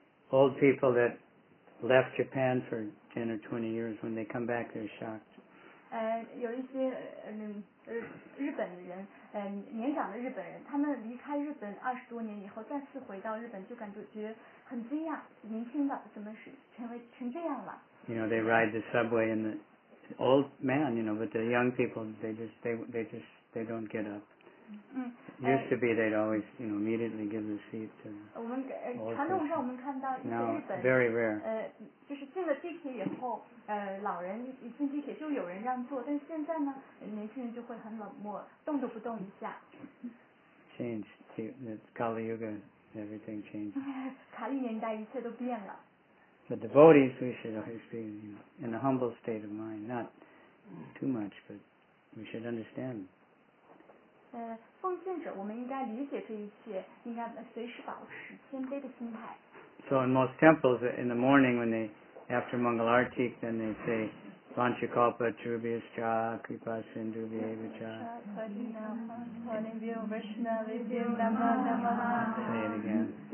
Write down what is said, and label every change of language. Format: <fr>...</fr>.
<en>Old people that left Japan for 10 or 20 years, when they come back, they're shocked.</en> <zh>有一些日本人，年长的日本人，他们离开日本20多年以后，再次回到日本，就感觉很惊讶，年轻的怎么是成这样了？</zh> <en>You know, they ride the subway in the old man, you know, but the young people, they don't get up. Used to be they'd always, you know, immediately give the seat to old people.</en> <zh>传统上我们看到一些日本</zh> <en>no, very rare.</en> <zh>就是进了地铁以后，老人一进地铁就有人让座，但现在呢，年轻人就会很冷漠，动都不动一下。</zh> <en>Change, Kali Yuga, everything changed.</en> <zh>卡利年代一切都变了。</zh> <en>But devotees, we should always be, you know, in a humble state of mind, not too much, but we should understand.</en> <zh>奉献者，我们应该理解这一切，应该随时保持谦卑的心态。</zh> <en>So in most temples, in the morning, when they, after Mangal Arti, then they say,</en> <sa>Vancha Kalpa, Trubhyascha, Kripasin, Trubhyavacha.</sa> <en>Say it again.</en>